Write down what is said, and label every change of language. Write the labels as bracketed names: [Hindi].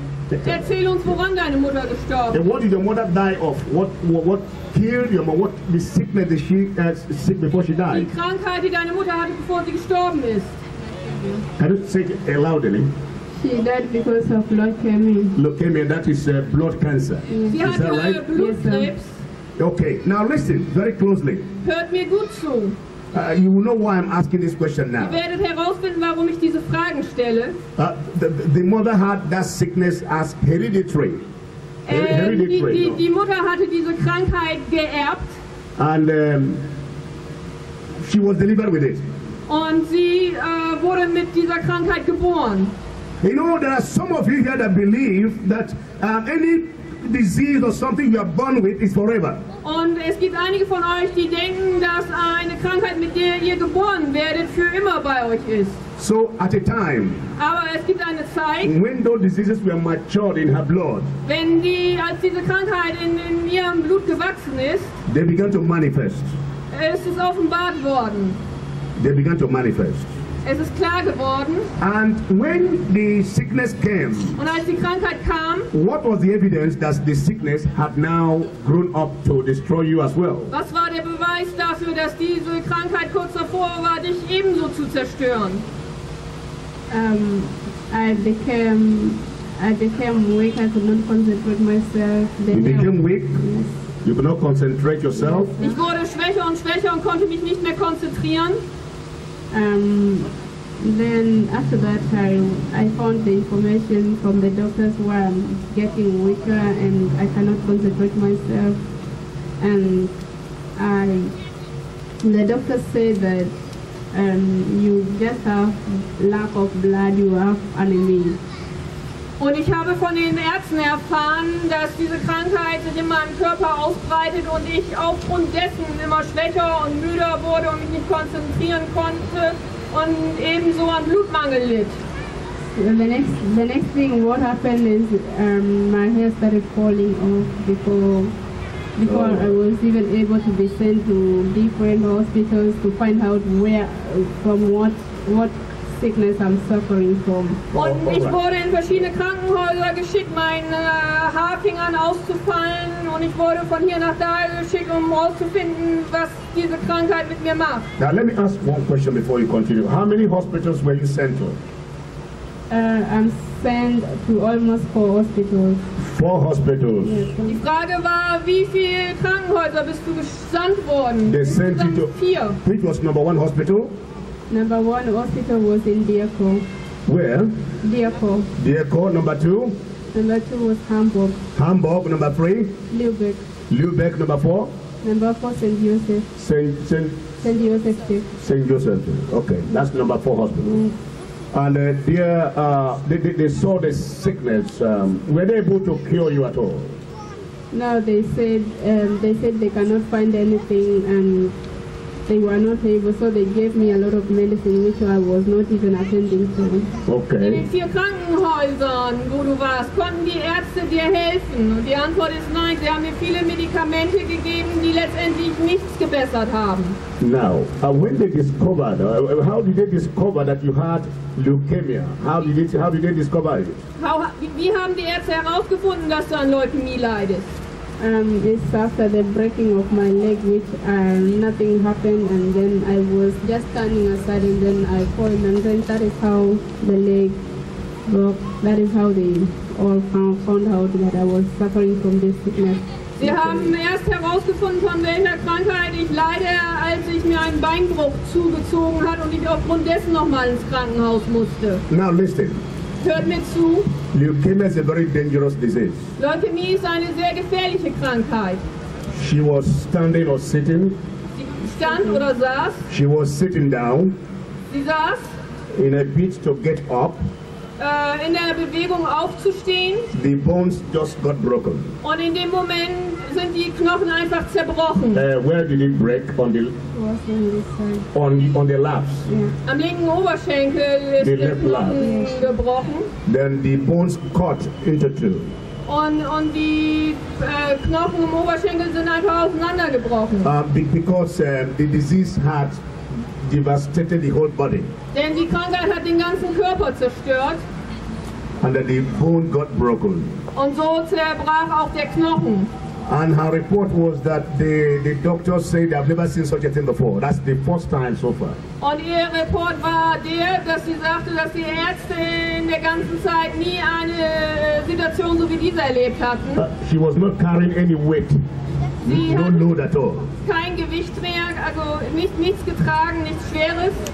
[German] Bitte, erzähl uns, woran deine Mutter gestorben ist. [English] What did your mother die of? What killed your mother? What the sickness did she sick before she died? [German] Die Krankheit, die deine Mutter hatte, bevor sie gestorben ist. [English] Can you say it loudly? She died because of leukemia. Leukemia, that is blood cancer. [German] Sie [English] is that right? [German] Blutkrebs. [English] Okay, now listen very closely. [German] Hört mir gut zu. [English] You will know why I'm asking this question now. [German] Ihr werdet herausfinden, warum ich diese Fragen stelle. [English] The mother had that sickness as hereditary. [German] Die Mutter hatte diese Krankheit geerbt. [English] And she was delivered with it. [German] Und sie wurde mit dieser Krankheit geboren. [English] You know, there are some of you here that believe that any disease or something you are born with is forever. [German] Und es gibt einige von euch, die denken, dass eine Krankheit, mit der ihr geboren werdet, für immer bei euch ist. [English] So at a time. [German] Aber es gibt eine Zeit, [English] when those diseases were matured in her blood. [German] Wenn die, als diese Krankheit in ihrem Blut gewachsen ist, [English] they began to manifest. [German] Es ist offenbart worden. [English] They began to manifest. [German] Es ist klar geworden. [English] And when the sickness came, [German] und als die Krankheit kam, [English] what was the evidence that the sickness had now grown up to destroy you as well? [German] Was war der Beweis dafür, dass diese Krankheit kurz davor war, dich ebenso zu zerstören? [English] I became weak. I could not concentrate myself. Then you became weak. Yes. You could not concentrate yourself. Yes. [German] Ich wurde schwächer und schwächer und konnte mich nicht mehr konzentrieren. [English] Then after that time, I found the information from the doctors where I'm getting weaker and I cannot concentrate myself. And the doctors say that you just have lack of blood, you have anemia. [German] Und ich habe von den Ärzten erfahren, dass diese Krankheit sich in meinem Körper ausbreitet und ich aufgrund dessen immer schwächer und müder wurde und mich nicht konzentrieren konnte und ebenso an Blutmangel litt. [English] The next thing what happened is my hair started falling off before I was even able to be sent to different hospitals to find out where from what sickness I'm suffering from. [German] Und ich wurde in verschiedene Krankenhäuser geschickt, mein Haar fing an auszufallen und ich wurde von hier nach da geschickt, um herauszufinden, was diese Krankheit mit mir macht. [English] Now let me ask one question before you continue. How many hospitals were you sent to? I'm sent to almost four hospitals. Four hospitals. Yes. [German] Die Frage war, wie viele Krankenhäuser bist du gesandt worden? [English] They sent you to [German] vier. [English] Which was number one hospital? Number one hospital was in Diako. Where? Diako. Diako, number two? Number two was Hamburg. Hamburg, number three? Lübeck. Lübeck, number four? Number four, St. Joseph. St. Joseph. St. Joseph, okay. That's number four hospital. Mm. And they saw the sickness. Were they able to cure you at all? No, they said they cannot find anything and they were not able, so they gave me a lot of medicine which I was not even attending to. Okay. [German] In den vier Krankenhäusern, wo du warst, konnten die Ärzte dir helfen? Und die Antwort ist nein. Sie haben mir viele Medikamente gegeben, die letztendlich nichts gebessert haben. [English] Now, when they discovered, how did they discover that you had leukemia? How did they discover it? [German] Wie haben die Ärzte herausgefunden, dass du an Leukämie leidest? [English] It's after the breaking of my leg, which nothing happened, and then I was just standing aside, and then I fell, and then that is how the leg broke. That is how they all found out that I was suffering from this sickness. [German] Sie haben erst herausgefunden, von welcher Krankheit ich leide, als ich mir einen Beinbruch zugezogen hat und ich aufgrund dessen nochmal ins Krankenhaus musste. [English] Now listen. [German] Hört mir zu. [English] Leukemia is a very dangerous disease. [German] Leukämie ist eine sehr gefährliche Krankheit. [English] She was standing or sitting. [German] Sie stand oder saß. [English] She was sitting down. [German] Sie saß. [English] In a bit to get up. [German] In der Bewegung aufzustehen. [English] The bones just got broken. [German] Und in dem Moment sind die Knochen einfach zerbrochen. [English] Where did it break? On the left. [German] Am linken Oberschenkel ist der Knochen gebrochen. [English] Then the bones cut into two. [German] Und die Knochen im Oberschenkel sind einfach auseinandergebrochen. [English] Because the disease had devastated the whole body. [German] Denn die Krankheit hat den ganzen Körper zerstört. [English] And the bone got broken. [German] Und so zerbrach auch der Knochen. [English] And her report was that the doctors say they have never seen such a thing before. That's the first time so far. [German] Und ihr Report war der, dass sie sagte, dass die Ärzte in der ganzen Zeit nie eine Situation so wie diese erlebt hatten. [English] She was not carrying any weight. [German] Sie [English] no load at all. [German] Kein Gewicht mehr, also nichts getragen, nichts Schweres.